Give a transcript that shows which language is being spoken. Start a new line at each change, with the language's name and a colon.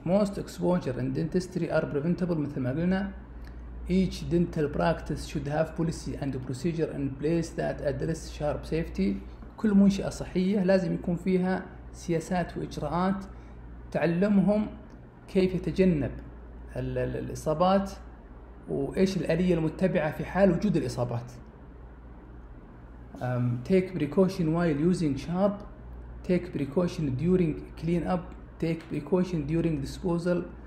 English: Most exposure in dentistry are preventable
Arabic: مثل ما قلنا.
English: Each dental practice should have policy and procedure in place that address sharp safety.
Arabic: كل منشأة صحية لازم يكون فيها سياسات وإجراءات تعلمهم كيف يتجنب الإصابات وإيش الآلية المتبعة في حال وجود الإصابات.
English: Take precaution while using sharp. Take precaution during clean up. Take precaution during disposal.